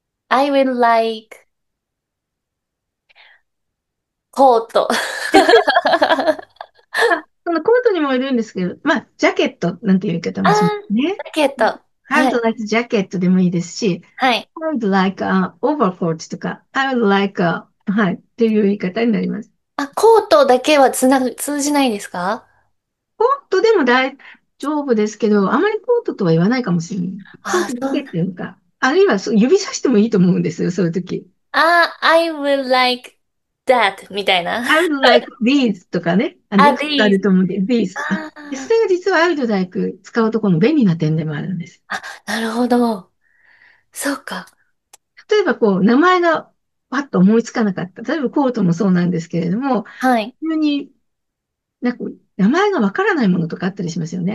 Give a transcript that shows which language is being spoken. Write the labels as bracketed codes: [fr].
[en] I would like コート。 [ja] そのコートにもよるんですけど、まあ、ジャケットなんていう言い方もしますね。ケット。 [en] I would like ジャケット [ja] でもいいですし、 [en] I would like a overcoat とか、I would like a, [ja] はい、っていう言い方になります。コートだけは通じないですか？コートでも大丈夫ですけど、あまりコートとは言わないかもしれない。コートだけっていうか、あるいは指さしてもいいと思うんですよ、そういう時。 [en] I would like that [ja] みたいな。 [en] I would like these [ja] とかね。よくあると思うんで、these。あ、それが実は [en] I would like [ja] 使うところの便利な点でもあるんです。なるほど。そうか。例えばこう、名前がパッと思いつかなかった。例えばコートもそうなんですけれども、急に、なんか名前がわからないものとかあったりしますよね。